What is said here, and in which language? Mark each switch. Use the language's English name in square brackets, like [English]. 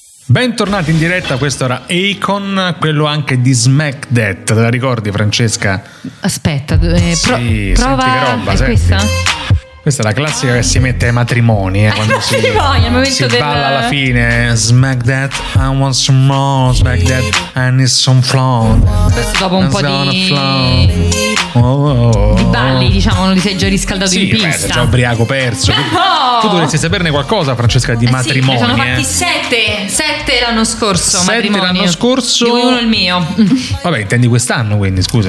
[Italian] Bentornati in diretta, questo era Akon, quello anche di Smack That, te la ricordi Francesca? Aspetta, prova, senti che roba, è senti. Questa è la classica che si mette ai matrimoni, quando si balla alla fine. [English] Smack that, I want some more, smack that, I need some flow. [Italian] Questo dopo un po' di balli, diciamo, non ti sei già riscaldato, sì, in pista. Sì, già ubriaco perso. Tu dovresti saperne qualcosa, Francesca, di matrimoni. Sì, sono fatti sette l'anno scorso. Di uno il mio. Vabbè, intendi quest'anno, quindi, scusa.